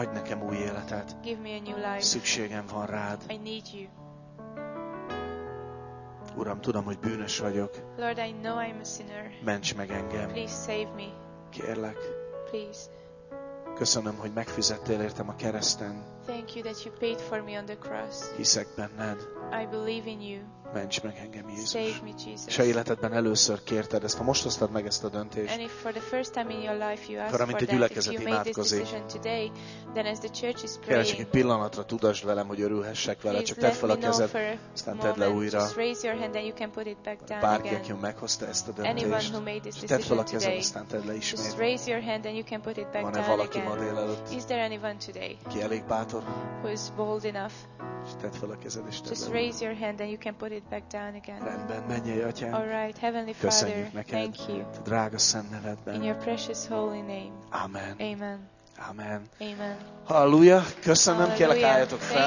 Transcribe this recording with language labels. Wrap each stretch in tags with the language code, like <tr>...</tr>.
<hu>adj nekem új életet,</hu> <en>give me a new life,</en> <hu>szükségem van rád,</hu> <en>I need you.</en> <hu>Uram, tudom, hogy bűnös vagyok.</hu> <en>Lord, I know I'm a sinner.</en> <hu>Ments meg engem.</hu> <en>Please save me.</en> <hu>Kérlek.</hu> <en>Please.</en> <hu>Köszönöm, hogy megfizettél értem a kereszten.</hu> <en>Thank you that you paid for me on the cross.</en> <hu>Hiszek benned.</hu> <en>I believe in you.</en> <hu>Ments meg engem, Jézus.</hu> <en>Save me, Jesus.</en> <hu>És a életedben először kérted ezt, ha most hoztad meg ezt a döntést.</hu> <en>And if for the first time in your life you ask for that, if you made this decision today, then as the church is praying,</en> <hu>kérlek, csak egy pillanatra tudasd velem, hogy örülhessek vele, csak tedd fel a kezed, aztán tedd le újra.</hu> <en>Just raise your hand, then you can put it back down again.</en> <hu>Bárki, aki meghozta ezt a döntést, tedd fel a kezed, aztán tedd le ismét.</hu> <en>Just raise your hand, then you can put it back down again.</en> <hu>Van-e valaki ma délelőtt?</hu> <en>Is there anyone today?</en> <hu>Ki elég bátor?</hu> <en>Who is bold enough?</en> <hu>Tedd fel a kezed, és tedd</hu> <en>just raise your hand and you can put it back down again.</en> <hu>Rendben, mennyei Atyám.</hu> <en>All right, Heavenly Father.</en> <hu>Köszönjük neked.</hu> <en>Thank you.</en> <hu>Te drága szent nevedben.</hu> <en>In your precious holy name.</en> <hu>Amen.</hu> <en>Amen.</en> <hu>Amen.</hu> <en>Amen.</en> <hu>Halleluja. Köszönöm, kérlek, álljatok fel.</hu>